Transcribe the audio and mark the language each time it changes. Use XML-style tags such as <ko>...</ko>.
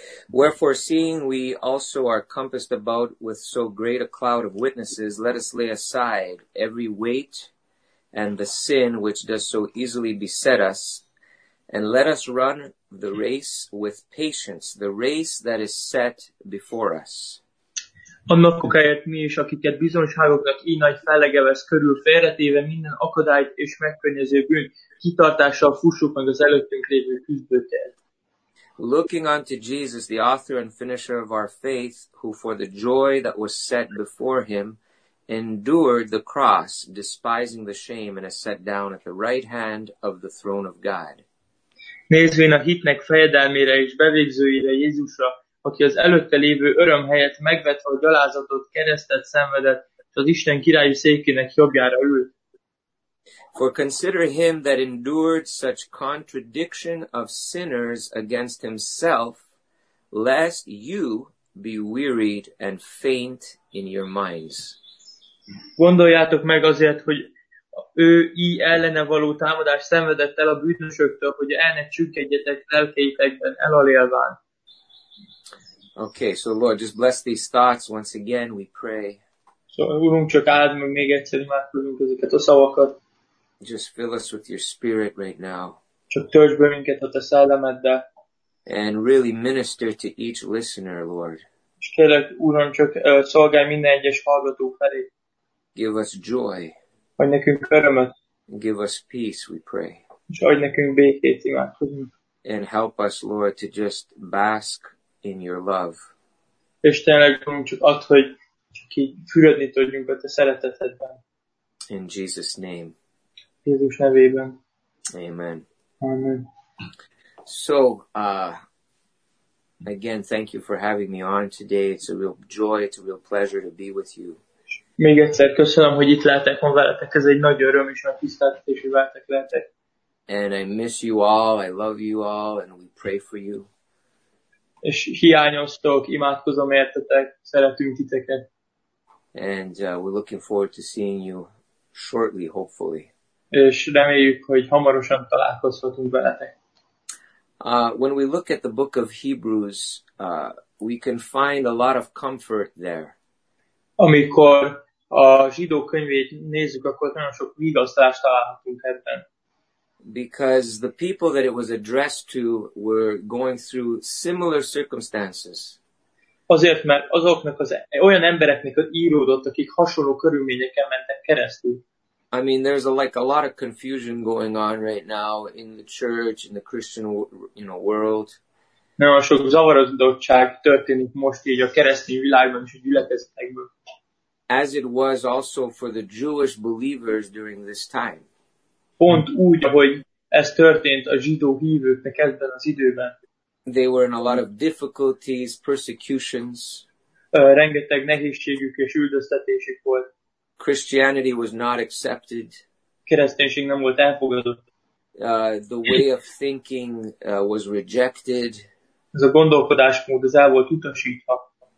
<en>Wherefore, seeing we also are compassed about with so great a cloud of witnesses, let us lay aside every weight and the sin which does so easily beset us, and let us run the race with patience, the race that is set before us.</en> <hu>Annak helyett mi is, akiket bizonyságoknak így nagy felege vesz körül, félretéve minden akadályt és megkönnyező bűnt, kitartással fussuk meg az előttünk lévő küzdőtért.</hu> <en>Looking unto Jesus, the author and finisher of our faith, who for the joy that was set before him, endured the cross, despising the shame, and is set down at the right hand of the throne of God.</en> <hu>Nézvén a hitnek fejedelmére és bevégzőjére Jézusra, aki az előtte lévő öröm helyett megvetve a gyalázatot, keresztet szenvedett, és az Isten királyi székének jobbjára ült.</hu> <en>For consider him that endured such contradiction of sinners against himself, lest you be wearied and faint in your minds.</en> <hu>Gondoljátok meg azért, hogy ő így ellene való támadást szenvedett el a bűnösöktől, hogy el ne csükkedjetek lelkeitekben elalélván.</hu> <en>Okay, so Lord, just bless these thoughts once again, we pray.</en> <hu>So, Urunk, csak áld meg még egyszer, imádkozunk ezeket a szavakat.</hu> <en>Just fill us with your spirit right now.</en> <hu>Csak töltsd be minket a te szellemeddel.</hu> <en>And really minister to each listener, Lord.</en> <hu>És kérlek, Uram, csak szolgálj minden egyes hallgató felé.</hu> <en>Give us joy.</en> <hu>Adj nekünk örömet.</hu> <en>Give us peace, we pray.</en> <hu>És adj nekünk békét, imádkozunk.</hu> <en>And help us, Lord, to just bask in your love.</en> <hu>És tényleg csak add, hogy csak így fürödni tudjunk a te szeretetedben.</hu> <en>In Jesus' name.</en> <hu>Jézus nevében.</hu> <en>Amen.</en> <hu>Amen.</hu> <en>So, again, thank you for having me on today. It's a real joy, it's a real pleasure to be with you.</en> <hu>Még egyszer köszönöm, hogy itt lehetek, van veletek. Ez egy nagy öröm és nagy tiszteltetés, hogy veletek lehetek.</hu> <en>And I miss you all, I love you all, and we pray for you.</en> <hu>És hiányoztok, imádkozom értetek, szeretünk titeket.</hu> <en>And we're looking forward to seeing you shortly, hopefully.</en> <hu>És reméljük, hogy hamarosan találkozhatunk veletek.</hu> <en>When we look at the book of Hebrews, we can find a lot of comfort there.</en> <hu>Amikor a zsidó könyvét nézzük, akkor nagyon sok vigasztalást találhatunk ebben.</hu> <en>Because the people that it was addressed to were going through similar circumstances.</en> <hu>Azért, mert azoknak az olyan embereknek íródott, akik hasonló körülményeken mentek keresztül.</hu> <en>I mean, there's a lot of confusion going on right now in the church, in the Christian, you know, world.</en> <hu>Nagyon sok zavarodottság történik most így a keresztény világban és a gyülekezetekben.</hu> <en>As it was also for the Jewish believers during this time.</en> <hu>Pont úgy, ahogy ez történt a zsidó hívőknek ebben az időben.</hu> <en>They were in a lot of difficulties, persecutions.</en> <hu>Rengeteg nehézségük és üldöztetésük volt.</hu> <en>Christianity was not accepted.</en> <hu>Kereszténység nem volt elfogadott.</hu> <en>The way of thinking was rejected.</en> <hu>Ez a gondolkodásmód, ez el volt utasítva.</hu>